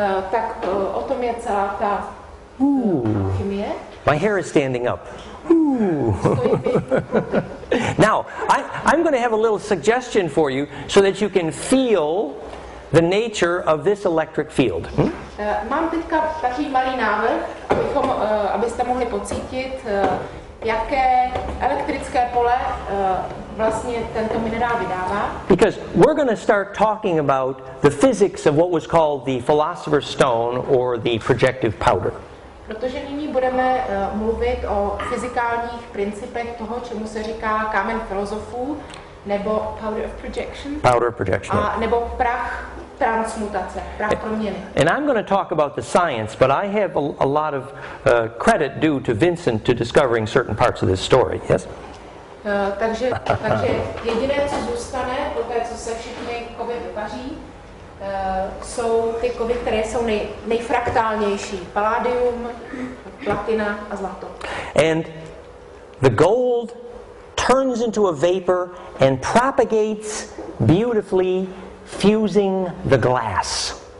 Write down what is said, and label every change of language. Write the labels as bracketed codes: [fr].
[cs] Tak o tom je celá ta alchymie. [en] My hair is standing up. Ooh. Now, I'm going to have a little suggestion for you so that you can feel the nature of this electric field. [cs] Mám teďka takový malý návrh, abyste mohli pocítit, jaké elektrické pole vlastně tento minerál vydává. [en] Because we're going to start talking about the physics of what was called the philosopher's stone or the projective powder. [cs] Protože nyní budeme mluvit o fyzikálních principech toho, čemu se říká kámen filozofů, nebo [en] powder of projection. Powder of projection. [cs] A nebo prach transmutace, prach proměny. [en] And I'm going to talk about the science, but I have a lot of credit due to Vincent to discovering certain parts of this story. Yes. [cs] Takže jediné, co zůstane po té, co se všichni kovy vypaří, jsou ty kovy, které jsou nejfraktálnější. Palladium, platina a zlato. [en] And the gold turns into a vapor and propagates beautifully, fusing the glass.